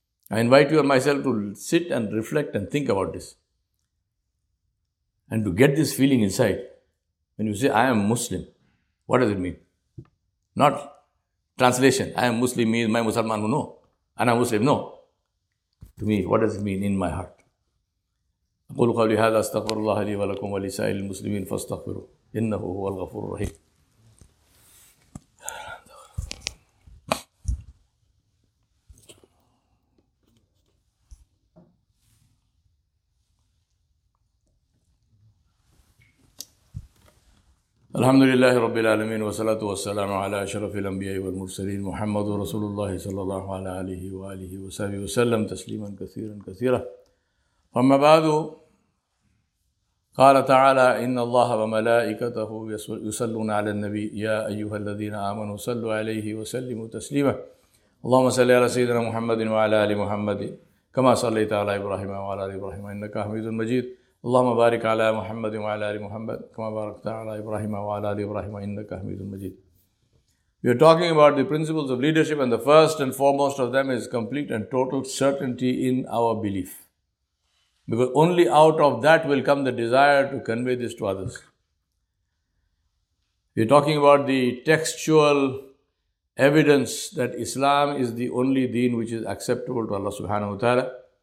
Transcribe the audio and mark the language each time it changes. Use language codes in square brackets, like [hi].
[en] I invite you and myself to sit and reflect and think about this. And to get this feeling inside. When you say, I am Muslim, what does it mean? Not translation, I am Muslim means my Musalman, no. And I'm Muslim, no. To me, what does it mean in my heart? [ar] أقول قولي هذا استغفر الله لي ولكم ولسائر المسلمين فاستغفروا إنه هو الغفور الرحيم. الحمد لله رب العالمين والصلاة والسلام على أشرف الأنبياء والمرسلين محمد رسول الله صلى الله عليه وآله وصحبه وسلم تسليما كثيرا كثيرا فما بعد قال تعالى إن الله وملائكته يصلون على النبي يا أيها الذين آمنوا صلوا عليه وسلموا تسليما اللهم صل على سيدنا محمد وعلى آل محمد كما صليت على إبراهيم وعلى آل إبراهيم إنك حميد مجيد اللهم بارك على محمد وعلى آل محمد كما باركت على إبراهيم وعلى آل إبراهيم إنك حميد مجيد. [en] We are talking about the principles of leadership, and the first and foremost of them is complete and total certainty in our belief. Because only out of that will come the desire to convey this to others. We are talking about the textual evidence that Islam is the only deen which is acceptable to Allah subhanahu wa ta'ala.